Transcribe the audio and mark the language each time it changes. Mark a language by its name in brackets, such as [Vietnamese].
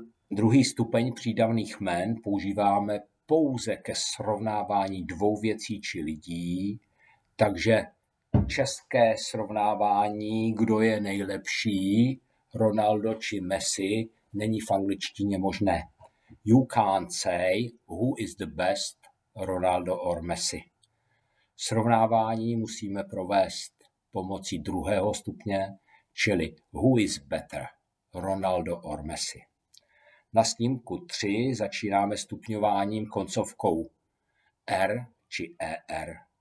[Czech] Druhý stupeň přídavných jmén používáme pouze ke srovnávání dvou věcí či lidí, takže české srovnávání, kdo je nejlepší, Ronaldo či Messi, není v angličtině možné. [English] You can't say who is the best, Ronaldo or Messi. [Czech] Srovnávání musíme provést pomocí druhého stupně, čili [English] who is better, Ronaldo or Messi. [Czech] Na snímku 3 začínáme stupňováním koncovkou R či ER.